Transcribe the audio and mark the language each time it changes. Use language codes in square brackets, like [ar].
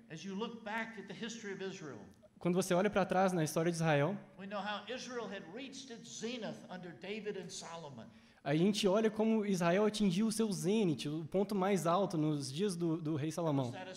[en] As you look back at the history of Israel, [pt] quando você olha para trás na história de Israel, [en] we know how Israel had reached its zenith under David and Solomon. [pt] A gente olha como Israel atingiu o seu zênite, o ponto mais alto nos dias do rei Salomão.